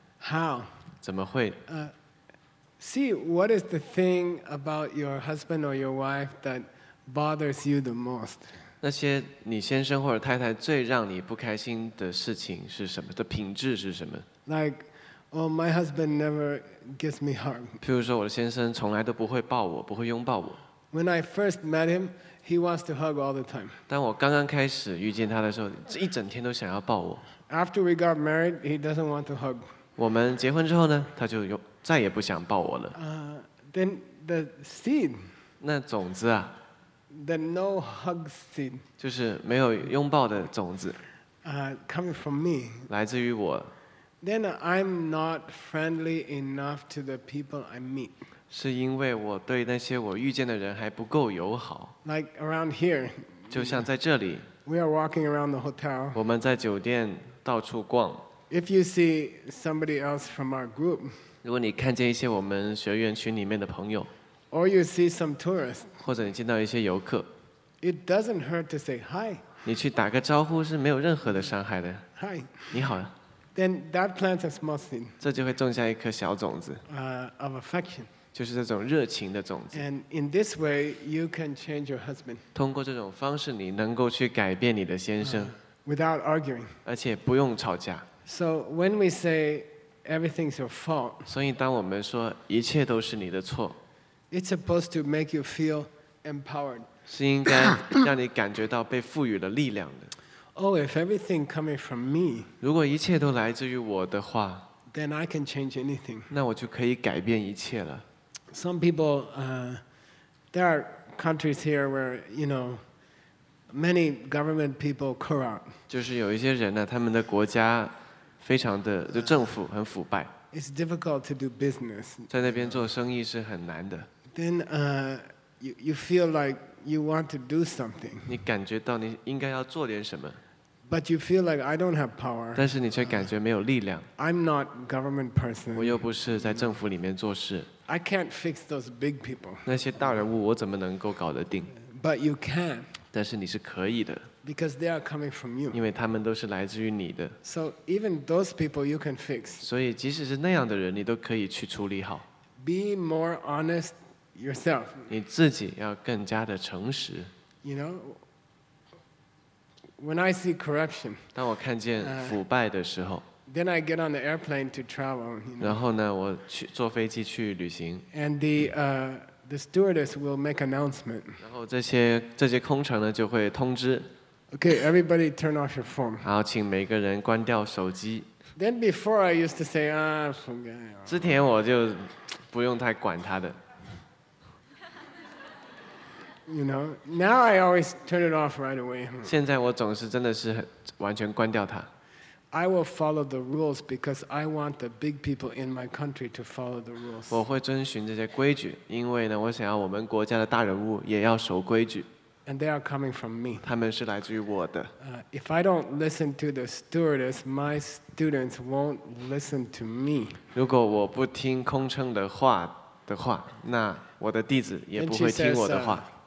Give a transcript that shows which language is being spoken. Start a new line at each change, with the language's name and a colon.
English: How?
Chinese: 怎么会
English: See, what is the thing about your husband or your wife that bothers you the most?
Chinese: 那些你先生或者太太最让你不开心的事情是什么？的品质是什么
English: ？Like, oh, my husband never gives me hug.
Chinese: 譬如说，我的先生从来都不会抱我，不会拥抱我。
English: When I first met him, he wants to hug all the time.
Chinese: 当我刚刚开始遇见他的时候，一整天都想要抱我。
English: After we got married, he doesn't want to hug.
Chinese: 我们结婚之后呢，他就再也不想抱我了。
English: Then the seed.
Chinese: 那种子啊。
English: The no hug seed,
Chinese: 就是没有拥抱的种子
English: coming from me,
Chinese: 来自于我
English: Then I'm not friendly enough to the people I meet.
Chinese: 是因为我对那些我遇见的人还不够友好
English: Like around here,
Chinese: 就像在这里
English: We are walking around the hotel.
Chinese: 我们在酒店到处逛
English: If you see somebody else from our group,
Chinese: 如果你看见一些我们学员群里面的朋友
English: Or you see some tourists.
Chinese: 或者你见到一些游客。
English: It doesn't hurt to say hi.
Chinese: 你去打个招呼是没有任何的伤害的。
English: Hi.
Chinese: 你好。
English: Then that plants a small seed.
Chinese: 这就会种下一颗小种子。
English: Of affection.
Chinese: 就是这种热情的种子。
English: And in this way, you can change your husband.
Chinese: 通过这种方式，你能够去改变你的先生。
English: Without arguing.
Chinese: 而且不用吵架。
English: So when we say everything's your fault.
Chinese: 所以当我们说一切都是你的错。
English: It's supposed to make you feel empowered.
Chinese: 是应该让你感觉到被赋予了力量的。
English: Oh, if everything coming from me,
Chinese: 如果一切都来自于我的话
English: then I can change anything.
Chinese: 那我就可以改变一切了。
English: Some people, there are countries here where, you know, many government people corrupt.
Chinese: 就是有一些人呢，他们的国家非常的，就政府很腐败。
English: It's difficult to do business.
Chinese: 在那边做生意是很难的。
English: Then you feel like you want to do something.
Chinese: 你感觉到你应该要做点什么。
English: But you feel like I don't have power.
Chinese: 但是你却感觉没有力量。
English: I'm not government person.
Chinese: 我又不是在政府里面做事。
English: I can't fix those big people.
Chinese: 那些大人物我怎么能够搞得定？
English: But you can.
Chinese: 但是你是可以的。
English: Because they are coming from you.
Chinese: 因为他们都是来自于你的。
English: So even those people you can fix.
Chinese: 所以即使是那样的人，你都可以去处理好。
English: Be more honest yourself.
Chinese: 你自己要更加的诚实。
English: You know, when I see corruption.
Chinese: 当我看见腐败的时候。
English: Then I get on the airplane to travel. You know?
Chinese: 然后呢，我去坐飞机去旅行。
English: And the stewardess will make announcement.
Chinese: 然后这些空乘呢就会通知。
English: Okay, everybody, turn off your phone.
Chinese: 好，请每个人关掉手机。
English: Then before I used to say, "Ah, forget."
Chinese: 之前我就不用太管他的。
English: You know, now I always turn it off right away.
Chinese: 现在我总是真的是完全关掉它。
English: I will follow the rules because I want the big people in my country to follow the rules.
Chinese: 我会遵循这些规矩，因为呢，我想要我们国家的大人物也要守规矩。
English: And they are coming from me.
Chinese: 他们是来自于我的。
English: If I don't listen to the stewardess, my students won't listen to me.
Chinese: 如果我不听空乘的话，的话，那我的弟子也不会听我的话。